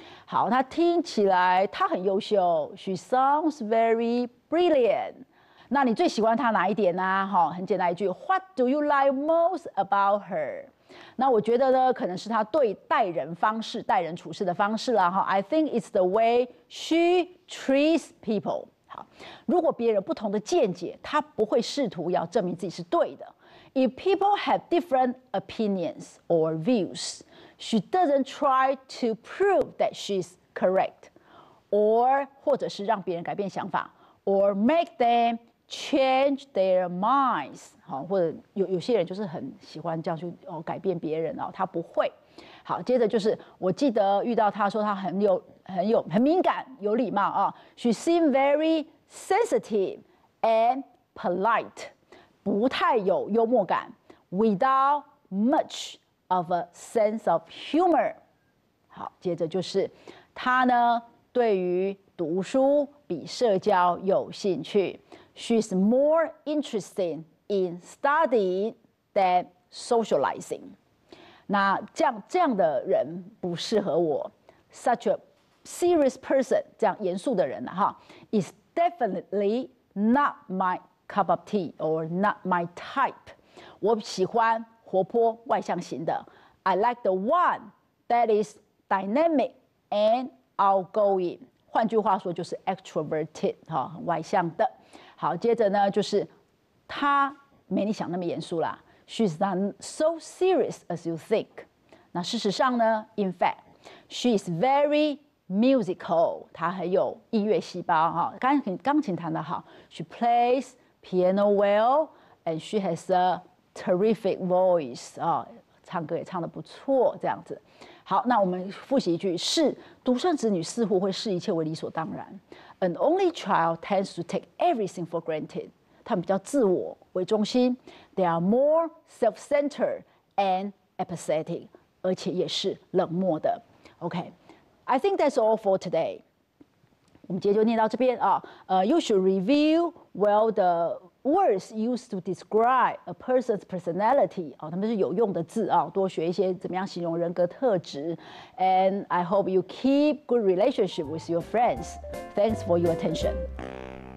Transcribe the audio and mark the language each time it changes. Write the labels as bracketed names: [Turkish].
[Chinese] 好，她听起来她很优秀。 [English] She sounds very brilliant. [Chinese] 那你最喜欢她哪一点呢？很简单一句 [English] ，What do you like most about her? [Chinese] 那我觉得呢，可能是她对待人方式、待人处事的方式啦。 [English] I think it's the way she treats people. [Chinese] 好，如果别人不同的见解，她不会试图要证明自己是对的。 [English] If people have different opinions or views, she doesn't try to prove that she's correct, or [Chinese] 或者是让别人改变想法 [English] or make them change their minds. [Chinese] 好，或者有些人就是很喜欢这样去改变别人哦，他不会。好，接着就是我记得遇到他说他很敏感，有礼貌啊。 [English] She seemed very sensitive and polite. [Chinese] 不太有幽默感 [English] ，without much of a sense of humor。 [Chinese] 好，接着就是他呢，对于读书比社交有兴趣。 [English] She's more interested in studying than socializing。 [Chinese] 那这样的人不适合我。 [English] Such a serious person， [Chinese] 这样严肃的人哈 ， [English] is definitely not my。 Cup of tea or not my type. [Chinese] 我喜欢活泼外向型的。 [English] I like the one that is dynamic and outgoing. [Chinese] 换句话说就是 extroverted, 很外向的。好，接着呢就是他没你想那么严肃啦。 [English] She's not so serious as you think. [Chinese] 那事实上呢 [English] ,in fact, she's very musical. [Chinese] 她很有音乐细胞。钢琴弹得好。 [English] She plays,piano well, and she has a terrific voice. [Chinese] 啊，唱歌也唱得不错，这样子。好，那我们复习一句：是独生子女似乎会视一切为理所当然。 [English] An only child tends to take everything for granted. [Chinese] 他们比较自我为中心 [English] ，they are more self-centered and apathetic， [Chinese] 而且也是冷漠的。 [English] Okay, I think that's all for today. [Chinese] 我们今天就念到这边啊。 [English] You should review well the words used to describe a person's personality. [Chinese] 哦，他们是有用的字啊，多学一些怎么样形容人格特质。 [English] And I hope you keep good relationship with your friends. Thanks for your attention.